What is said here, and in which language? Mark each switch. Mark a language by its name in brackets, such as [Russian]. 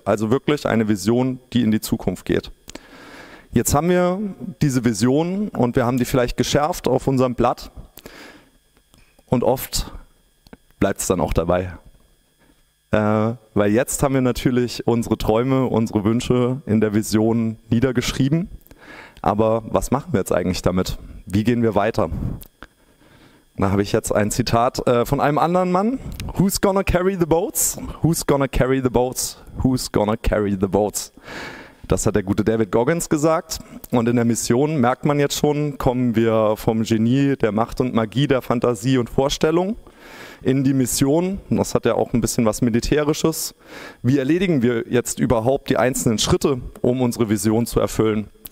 [German] Also wirklich eine Vision, die in die Zukunft geht. Jetzt haben wir diese Vision und wir haben die vielleicht geschärft auf unserem Blatt und oft bleibt es dann auch dabei. Weil jetzt haben wir natürlich unsere Träume, unsere Wünsche in der Vision niedergeschrieben. Aber was machen wir jetzt eigentlich damit? Wie gehen wir weiter? Da habe ich jetzt ein Zitat von einem anderen Mann. [English] Who's gonna carry the boats? Who's gonna carry the boats? Who's gonna carry the boats? [German] Das hat der gute David Goggins gesagt. Und in der Mission, merkt man jetzt schon, kommen wir vom Genie der Macht und Magie, der Fantasie und Vorstellung in die Mission. Das hat ja auch ein bisschen was Militärisches. Wie erledigen wir jetzt überhaupt die einzelnen Schritte, um unsere Vision zu erfüllen?